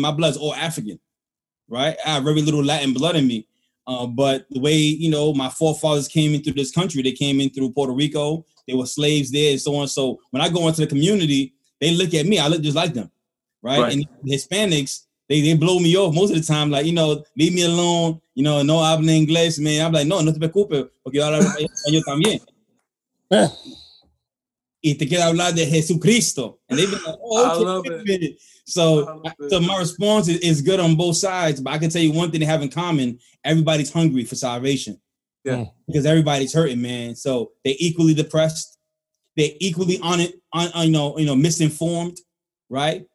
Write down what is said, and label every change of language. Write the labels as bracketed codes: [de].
[en] My blood's all African, right? I have very little Latin blood in me. But the way, you know, my forefathers came into this country, they came in through Puerto Rico. They were slaves there and so on. So when I go into the community, they look at me. I look just like them, right? And Hispanics, they blow me off most of the time. Like, you know, leave me alone. You know, [es] no hablo inglés, man. [en] I'm like, [es] no te preocupes, porque yo hablo español también. Y te quiero hablar de Jesucristo. [en] And they be like, oh, okay. So my response is good on both sides. But I can tell you one thing they have in common. Everybody's hungry for salvation. Yeah, because everybody's hurting, man. So they're equally depressed. they're equally misinformed, right?